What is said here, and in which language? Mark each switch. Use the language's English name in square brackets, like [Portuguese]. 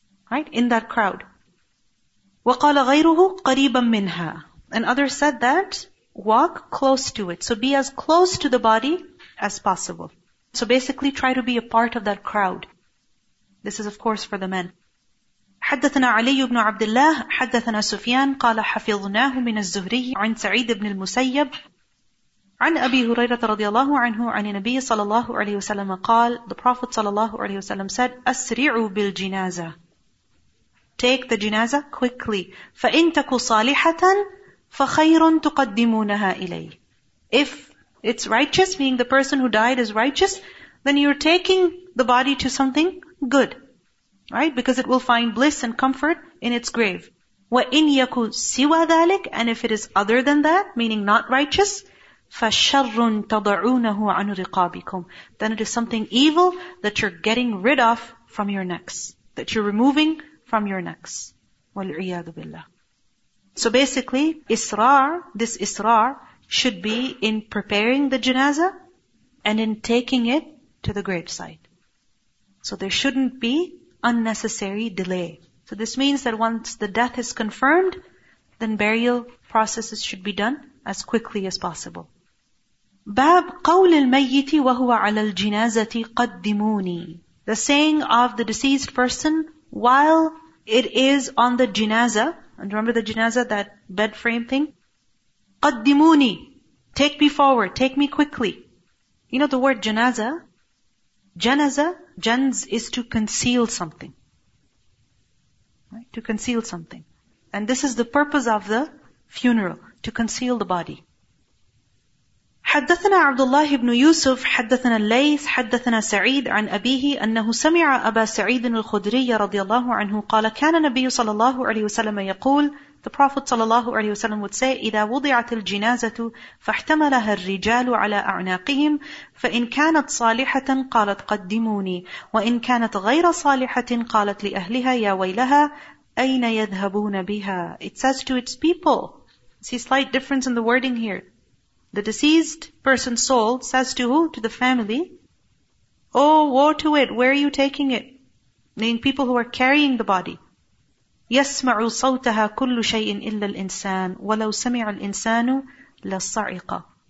[English] Right? In that crowd. [Arabic] وَقَالَ غَيْرُهُ قَرِيبًا مِّنْهَا. [English] And others said that, walk close to it. So be as close to the body as possible. So basically try to be a part of that crowd. This is of course for the men. [Arabic] حدثنا علي بن عبد الله حدثنا سفيان قال حفظناه من الزهري عن سعيد بن المسيب عن أبي هريرة رضي الله عنه عن النبي صلى الله عليه وسلم قال. [English] The Prophet صلى الله عليه وسلم said, [Arabic] أسرعوا بالجنازة. [English] Take the جنازة quickly. [Arabic] فإن تكو صالحة فخيرٌ تقدمونها إلي. [English] If it's righteous, meaning the person who died is righteous, then you're taking the body to something good. Right? Because it will find bliss and comfort in its grave. [Arabic] وَإِنْ يَكُ سِوَى ذَلِكَ, [English] and if it is other than that, meaning not righteous, [Arabic] فَشَرٌ تَضَعُونَهُ عَنْ رِقَابِكُمْ, [English] then it is something evil that you're getting rid of from your necks, that you're removing from your necks. [Arabic] وَالْعِيَاذُ بِاللَّهِ. [English] So basically, this israr should be in preparing the janazah and in taking it to the gravesite. So there shouldn't be unnecessary delay. So this means that once the death is confirmed, then burial processes should be done as quickly as possible. [Arabic] باب قول الميت وهو على الجنازة قدموني. [English] The saying of the deceased person while it is on the janazah. And remember the janazah, that bed frame thing? [Arabic] قَدِّمُونِ. [English] Take me forward, take me quickly. You know the word janazah? Janazah, janz is to conceal something. Right? To conceal something. And this is the purpose of the funeral, to conceal the body. [Arabic] حدثنا عبد الله بن يوسف حدثنا الليث حدثنا سعيد عن أبيه أنه سمع أبا سعيد الخدري رضي الله عنه قال كان النبي صلى الله عليه وسلم يقول. [English] The Prophet صلى الله عليه وسلم would say, [Arabic] إذا وضعت الجنازة فاحتملها الرجال على أعناقهم فإن كانت صالحة قالت قدموني وإن كانت غير صالحة قالت لأهلها يا ويلها أين يذهبون بها. [English] It says to its people. See slight difference in the wording here. The deceased person's soul says to who? To the family, oh, woe to it, where are you taking it? meaning people who are carrying the body. [Arabic] يَسْمَعُ صَوْتَهَا كُلُّ شَيْءٍ إِلَّا الْإِنسَانُ وَلَوْ سَمِعَ الْإِنسَانُ لَصَّعِقَ.